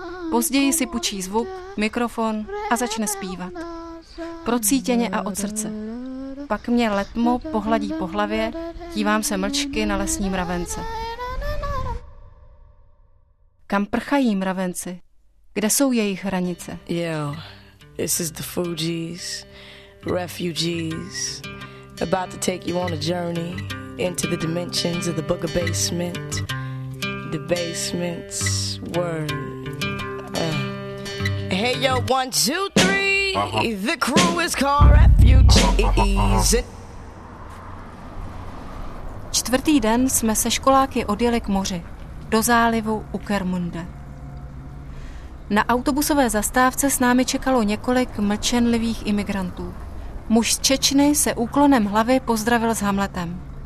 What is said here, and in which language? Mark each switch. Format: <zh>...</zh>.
<cs>Později si půjčí zvuk, mikrofon a začne zpívat. Procítěně a od srdce. Pak mě letmo pohladí po hlavě, dívám se mlčky na lesní mravence. Kam prchají mravenci? Kde jsou jejich hranice?</cs> <en>Yo, this is the Fugees, refugees. About to take you on a journey into the dimensions of the Booger Basement. The basement's word. Hey yo, 1, 2, 3. Uh-huh. The crew is called Refugees.</en> <cs>Čtvrtý den jsme se školáky odjeli k moři, do zálivu Ukermunde. Na autobusové zastávce s námi čekalo několik mlčenlivých imigrantů. Muž z Čečny se úklonem hlavy pozdravil s Hamletem.</cs>